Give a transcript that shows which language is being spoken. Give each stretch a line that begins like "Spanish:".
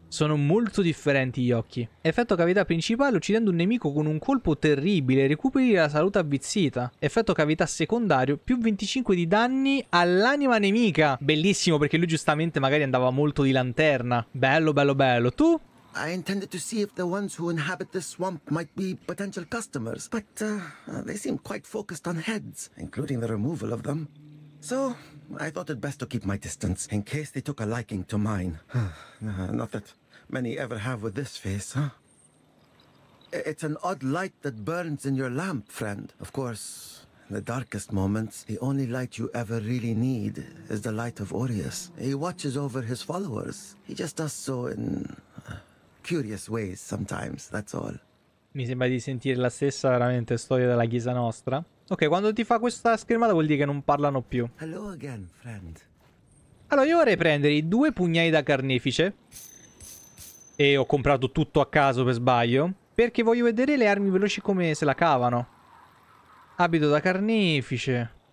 Italian: Sono molto differenti gli occhi. Effetto cavità principale, uccidendo un nemico con un colpo terribile, recuperi la salute avvizzita. Effetto cavità secondario, più 25 di danni all'anima nemica. Bellissimo, perché lui giustamente magari andava molto di lanterna. Bello, bello, bello. Tu?
English: I intended to see if the ones who inhabit the swamp might be potential customers, but they seem quite focused on heads, including the removal of them. So, I thought it best to keep my distance, in case they took a liking to mine. Not that many ever have with this face, huh? It's an odd light that burns in your lamp, friend. Of course, in the darkest moments, the only light you ever really need is the light of Aureus. He watches over his followers. He just does so in curious ways sometimes, that's all.
Italian: Mi sembra di sentire la stessa veramente storia della chiesa nostra. Ok, quando ti fa questa schermata vuol dire che non parlano più.
English: Hello again, friend.
Italian: Allora, io vorrei prendere i due pugnali da carnefice. E ho comprato tutto a caso per sbaglio. Perché voglio vedere le armi veloci come se la cavano. Abito da carnefice.